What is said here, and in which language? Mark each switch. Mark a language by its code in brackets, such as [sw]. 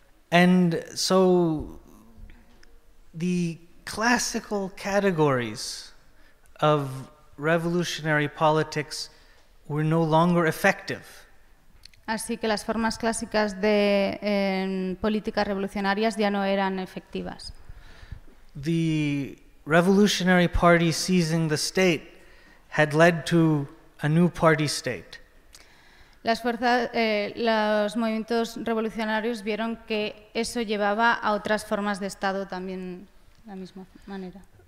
[en] And so the classical categories of revolutionary politics were no longer effective. [es] Así que las formas clásicas de políticas revolucionarias ya no eran efectivas. [en] The revolutionary party seizing the state had led to a new party state. [es] Los movimientos revolucionarios vieron que eso llevaba a otras formas de Estado también de la misma manera.